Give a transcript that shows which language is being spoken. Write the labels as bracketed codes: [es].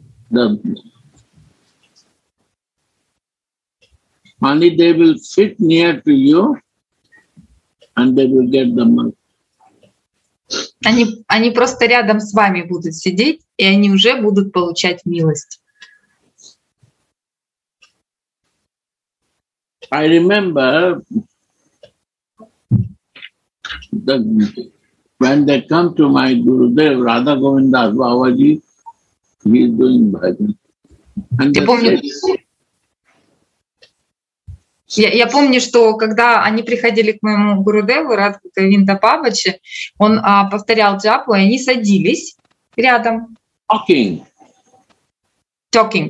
[en] The money they will fit near to you, and they will get the money. [ru] Они просто рядом с вами будут сидеть, и они уже будут получать милость. [en] I remember that when they come to my Gurudev, Radha Govinda Babaji, he is doing bhajan. And [ru] я помню, что когда они приходили к моему Гурудеву, Радха Говинда Бабаджи, он повторял джапу, и они садились рядом. [en] Talking. Talking.